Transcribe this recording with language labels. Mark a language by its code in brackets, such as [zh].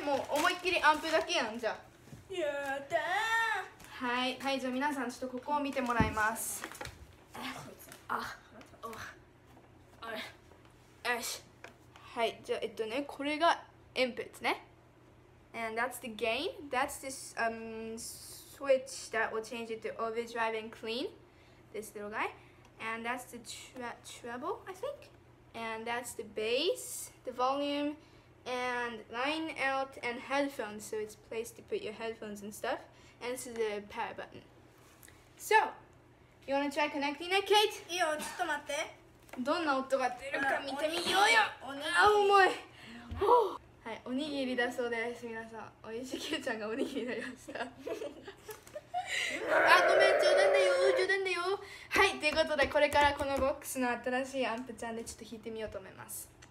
[ja] もう思いっきりアンプだけやん。じゃあやだ。はい、はい、じゃあ皆さんちょっとここを見てもらいます。あ、よし。はい、じゃあ、ね、これがインプットね。 [en] And that's the gain. That's this switch that will change it to overdrive and clean. This little guy. And that's the treble, I think. And that's the bass, the volume, and line out and headphones. So it's a place to put your headphones and stuff. And this is the power button. So, you want to try connecting it, Kate? [ja] いいよ、ちょっと待って。どんな音が出るか見てみようよ。あ、重い。はい、おにぎりだそうです。皆さん、おいしきゅうちゃんがおにぎりになりました。あ、ごめん、冗談だよ、冗談だよ。はい、ということで、これからこのボックスの新しいアンプちゃんでちょっと弾いてみようと思います。